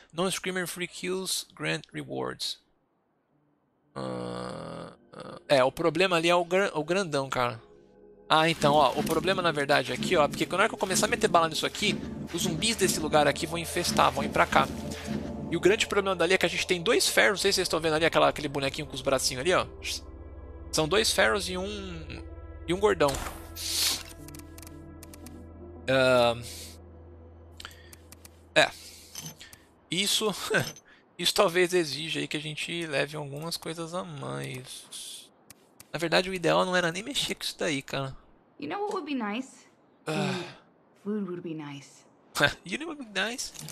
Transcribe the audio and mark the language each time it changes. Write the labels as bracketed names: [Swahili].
[English] Non-Screamer Free Kills Grant Rewards. [Portuguese] O problema ali é o grandão, cara. Ah, então, ó. O problema, na verdade, aqui, ó. Porque quando eu começar a meter bala nisso aqui, os zumbis desse lugar aqui vão infestar, vão ir pra cá. E o grande problema dali é que a gente tem dois ferros. Não sei se vocês estão vendo ali aquele bonequinho com os bracinhos ali, ó. São dois ferros e um gordão. É. Isso talvez exija aí que a gente leve algumas coisas a mais. Na verdade, o ideal não era nem mexer com isso daí, cara. [English] You know what would be nice? The food would be nice. You know what would be nice?